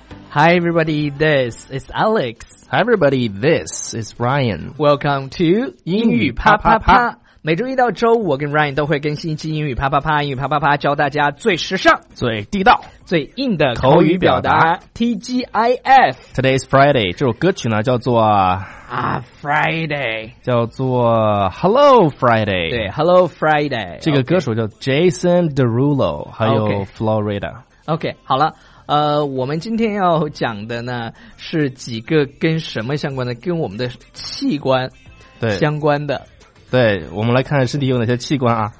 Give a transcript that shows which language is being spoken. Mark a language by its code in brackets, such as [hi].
[en] Hi everybody, this is Alex. Hi everybody, this is Ryan. Welcome to [zh] 英语啪啪啪。每周一到周五，我跟 Ryan 都会更新一期英语啪啪啪。英语啪啪啪，教大家最时尚、最地道、最硬的口语表达。TGIF。 [en] Today's Friday， [zh] 这首歌曲呢叫做 [en] Friday， [zh] 叫做 Hello Friday。对 ，Hello Friday。这个歌手叫 Jason Derulo， 还有 Florida。 OK， 好了。我们今天要讲的呢是几个跟什么相关的，跟我们的器官相关的。对，我们来看看身体有哪些器官啊。